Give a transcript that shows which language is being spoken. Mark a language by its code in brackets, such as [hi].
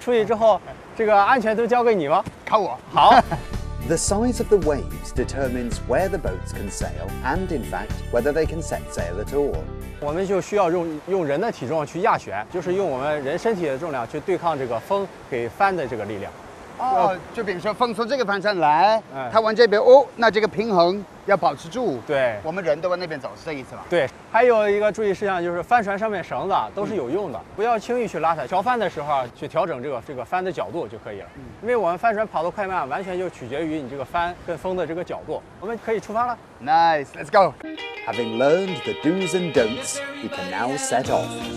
[zh] 那这个是等于汽车的油门。对，这个是方向盘。对，我们大海航行靠舵手，我们出去之后，这个安全都交给你吗？靠我。好。 [en] The size of the waves determines where the boats can sail and in fact whether they can set sail at all. [zh] 我们就需要用人的体重去压旋，就是用我们人身体的重量去对抗这个风给帆的这个力量。就比如说风从这个帆上来，它往这边，那这个平衡要保持住。对，我们人都往那边走，是这意思吧？对。还有一个注意事项就是帆船上面绳子都是有用的，不要轻易去拉它。调帆的时候去调整这个帆的角度就可以了，因为我们帆船跑得快慢，完全就取决于你这个帆跟风的这个角度。我们可以出发了。Nice, [en] let's go. Having learned the do's and don'ts, we can now set off.